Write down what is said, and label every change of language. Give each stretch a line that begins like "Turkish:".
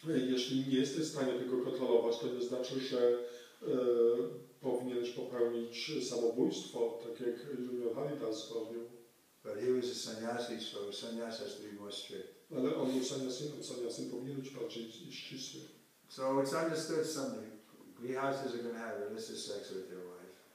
Polish: Jeśli nie jesteś w stanie tego kontrolować, to nie znaczy, że powinieneś popełnić samobójstwo, tak jak Junior Haridas zrobił.
English: But he was a sannyasi, so a sannyasi has to be more strict.
Polish: Ale on był sannyasiną, sannyasin powinien być bardziej ścisły.
English: So it's understood something. Grihasthas are going to have illicit sex with their wife.